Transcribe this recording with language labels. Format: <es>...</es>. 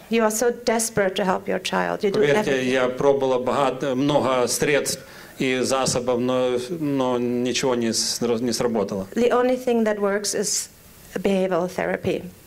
<en>You are so desperate to help your child. You do everything.</en> <ru>Поверьте, я пробовала много средств и засобов, но ничего не сработало.</ru> <en>The only thing that works is behavioral therapy.</en>